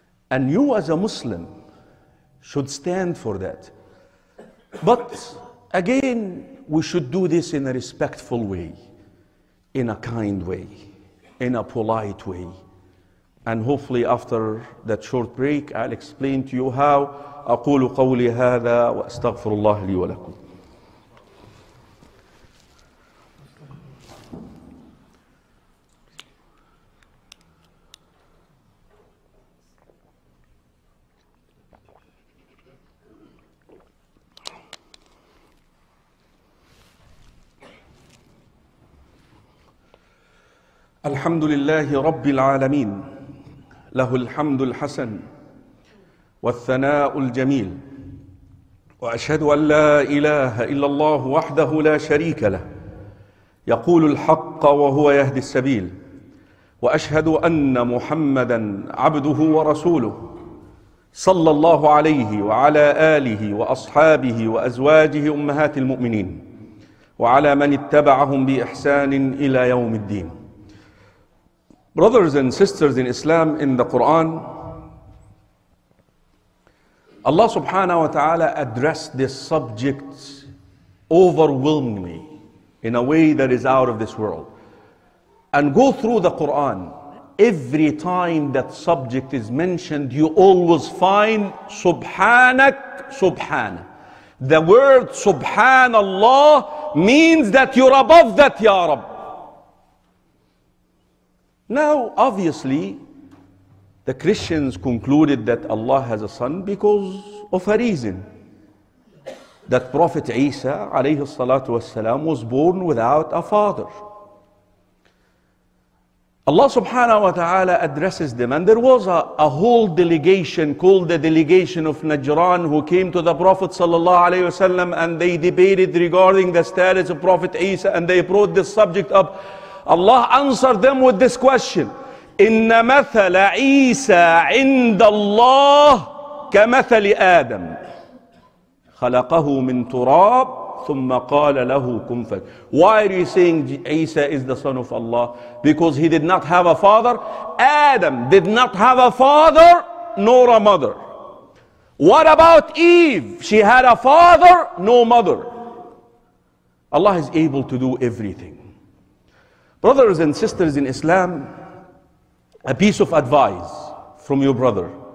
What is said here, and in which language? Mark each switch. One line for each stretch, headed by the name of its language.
English: And you as a Muslim should stand for that. But again, we should do this in a respectful way, in a kind way, in a polite way. And hopefully after that short break, I'll explain to you how.
Arabic: أقول قولي هذا وأستغفر الله لي ولكم. الحمد لله رب العالمين له الحمد الحسن والثناء الجميل وأشهد أن لا إله إلا الله وحده لا شريك له يقول الحق وهو يهدي السبيل وأشهد أن محمدًا عبده ورسوله صلى الله عليه وعلى آله وأصحابه وأزواجه أمهات المؤمنين وعلى من اتبعهم بإحسان إلى يوم الدين.
English: Brothers and sisters in Islam, in the Quran, Allah subhanahu wa ta'ala addressed this subject overwhelmingly in a way that is out of this world. And go through the Quran, every time that subject is mentioned, you always find subhanak, subhan. The word subhanallah means that you're above that, ya Rabb. Now, obviously, the Christians concluded that Allah has a son because of a reason. That Prophet Isa, alayhi salatu wasalam, was born without a father. Allah subhanahu wa ta'ala addresses them. And there was a whole delegation called the delegation of Najran who came to the Prophet sallallahu alayhi wasalam, and they debated regarding the status of Prophet Isa, and they brought this subject up. Allah answered them with this question:
Arabic: إن مثل عيسى عند الله كمثل آدم خلقه من تراب ثم قال له كن فيكون.
English: Why are you saying Isa is the son of Allah? Because he did not have a father. Adam did not have a father nor a mother. What about Eve? She had a father, no mother. Allah is able to do everything. Brothers and sisters in Islam, a piece of advice from your brother.